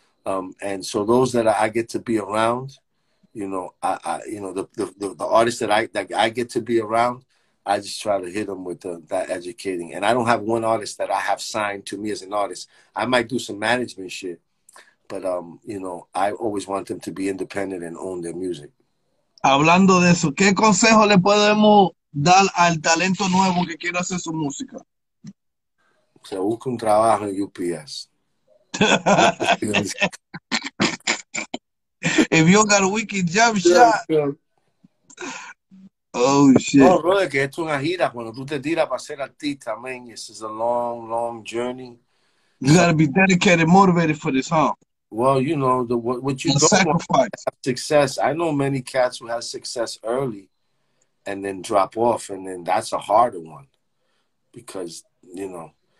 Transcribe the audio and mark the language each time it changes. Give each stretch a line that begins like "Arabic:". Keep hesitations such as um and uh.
English: Um, and so those that I get to be around, you know, I, I you know, the, the, the, the artists that I, that I get to be around, I just try to hit them with that the educating. And I don't have one artist that I have signed to me as an artist. I might do some management shit, but, um, you know, I always want them to be independent and own their music.
Spanish: Hablando de eso, ¿qué consejo le podemos dar al talento nuevo que quiere hacer su música? O Se busca un trabajo en UPS.
English: If you got a wicked jump sure, shot. Sure. Oh shit. No,
Spanish: bro, es que esto es una gira. Cuando tú te tiras para ser artista, man, es una
English: a long, long journey. You gotta be dedicated, motivated for this, huh? Well, you know the what, you He'll don't have success. I know many cats who have success early, and then drop off, and then that's a harder one, because you know.